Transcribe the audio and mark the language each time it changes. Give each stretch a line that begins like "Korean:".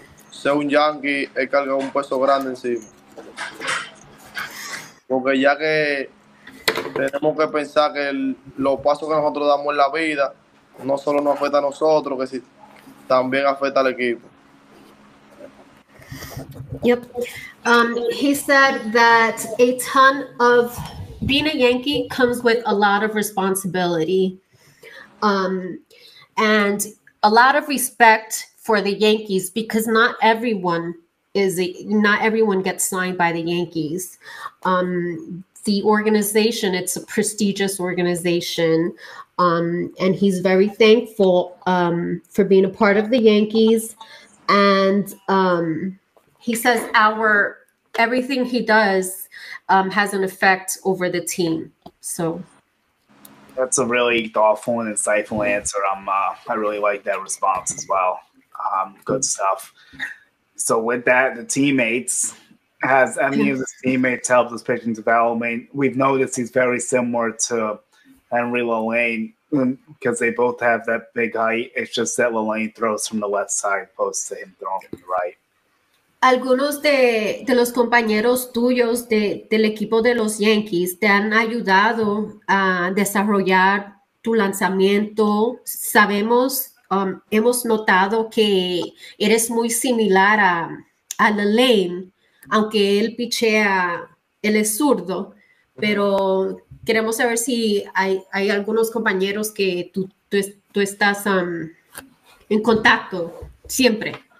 Spanish: Ser un Yankee es cargar un peso grande encima. Porque ya que tenemos que pensar que los pasos que nosotros damos en la vida no solo nos afecta a nosotros, que sí, también afecta al equipo.
English: Yep. He said that a ton of being a Yankee comes with a lot of responsibility, and a lot of respect for the Yankees, because not everyone gets signed by the Yankees. The organization, it's a prestigious organization. And he's very thankful for being a part of the Yankees. And he says everything he does has an effect over the team. So that's a really thoughtful and insightful answer. I really like that response as well. Good stuff. So with that, has any of his teammates helped his pitching development? We've noticed he's very similar to Henry LaLanne, because they both have that big height. It's just that LaLanne throws from the left side opposed to him throwing from the right.
Spanish: ¿Algunos de los compañeros tuyos del equipo de los Yankees te han ayudado a desarrollar tu lanzamiento? Sabemos, hemos notado que eres muy similar a LaLanne, aunque él pichea, él es zurdo, pero queremos saber si hay algunos compañeros que tú estás en contacto siempre.